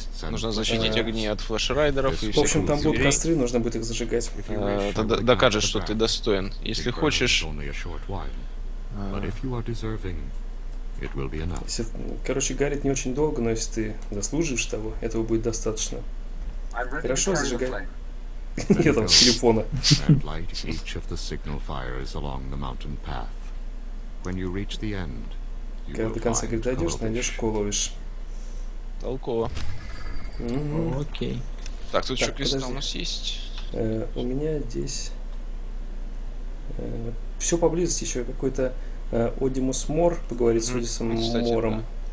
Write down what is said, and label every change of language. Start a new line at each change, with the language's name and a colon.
Russian: Нужно защитить огни от флешрайдеров. В общем, там будут костры, нужно будет их зажигать. Это докажет, что ты достоин. Если хочешь...
English: But if you are deserving, it will be enough.
Russian: Короче, горит не очень долго, но если ты заслужишь того, этого будет достаточно. Хорошо, зажигай. Нет, там, телефона.
English: And light each of the signal fires along the mountain path. When you reach the end, you will find Коловиш.
Russian: Когда до конца дойдешь, найдешь Коловиш. Толково. Окей. Так, тут еще кристалл у нас есть. У меня здесь... Все поблизости, еще какой-то Одимус Мор поговорить с Одимусом Мором. Да.